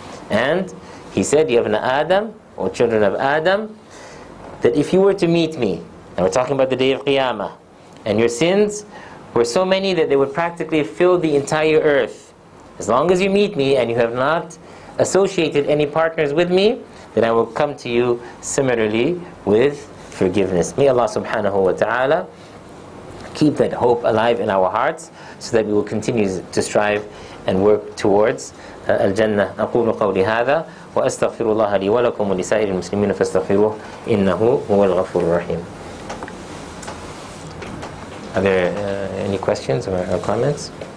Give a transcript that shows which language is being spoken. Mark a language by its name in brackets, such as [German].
[English] And he said, Ya ibn Adam, O children of Adam, that if you were to meet me, and we're talking about the day of Qiyamah, and your sins were so many that they would practically fill the entire earth, as long as you meet me and you have not associated any partners with me, then I will come to you similarly with forgiveness. May Allah subhanahu wa ta'ala keep that hope alive in our hearts, so that we will continue to strive and work towards al-jannah. [Arabic] أقول قولي هذا وأستغفر الله لي ولكم ولسائر المسلمين فاستغفروه إنه هو الغفور الرحيم. [English] Are there any questions or comments?